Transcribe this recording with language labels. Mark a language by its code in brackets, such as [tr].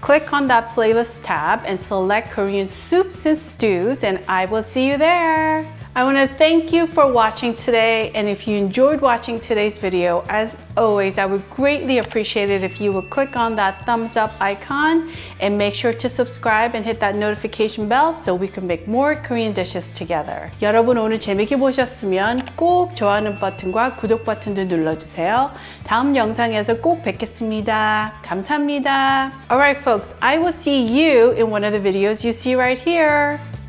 [en] Click on that playlist tab and select Korean soups and stews, and I will see you there. I want to to thank you for watching today. And if you enjoyed watching today's video, as always, I would greatly appreciate it if you would click on that thumbs up icon and make sure to subscribe and hit that notification bell so we can make more Korean dishes together. [ko] 여러분 오늘 재밌게 보셨으면 꼭 좋아하는 버튼과 구독 버튼도 눌러주세요. 다음 영상에서 꼭 뵙겠습니다. 감사합니다. [en] All right, folks, I will see you in one of the videos you see right here.